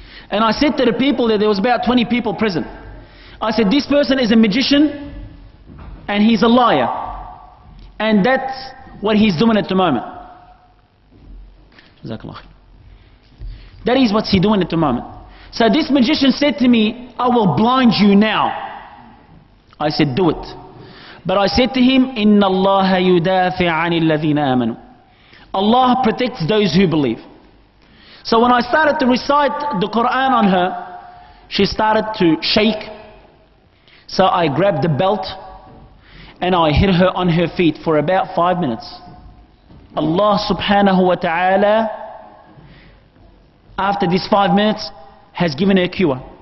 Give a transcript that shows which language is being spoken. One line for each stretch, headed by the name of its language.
English: And I said to the people there was about 20 people present. I said, this person is a magician and he's a liar. And that's what he's doing at the moment. That is what he's doing at the moment. So this magician said to me, I will blind you now. I said, do it. But I said to him,
Arabic: إِنَّ اللَّهَ يُدَافِ عَنِ الَّذِينَ آمَنُوا.
English: Allah protects those who believe. So when I started to recite the Quran on her, she started to shake. So I grabbed the belt and I hit her on her feet for about 5 minutes. Allah subhanahu wa ta'ala, after these 5 minutes, has given her a cure.